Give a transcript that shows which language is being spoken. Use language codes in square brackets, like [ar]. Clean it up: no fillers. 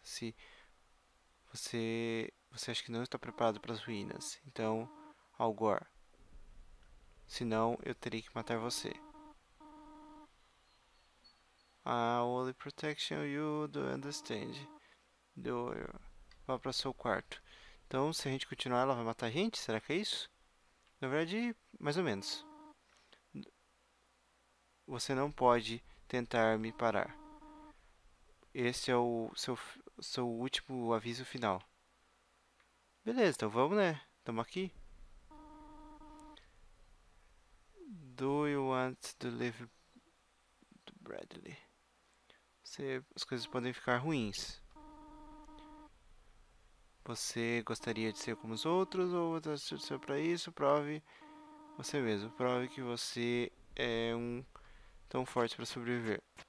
[pt] Se você acha que não está preparado para as ruínas, então, Algor. Senão, eu terei que matar você. [en] I will protect you, do you understand? [pt] Vá para seu quarto. Então, se a gente continuar, ela vai matar a gente? Será que é isso? Na verdade, mais ou menos. Você não pode tentar me parar. Esse é o seu último aviso final. Beleza, então vamos, né? Tamo aqui. [en] Do you want to live Bradley? [pt] As coisas podem ficar ruins. Você gostaria de ser como os outros ou você ser para isso? Prove você mesmo. Prove que você é um tão forte para sobreviver.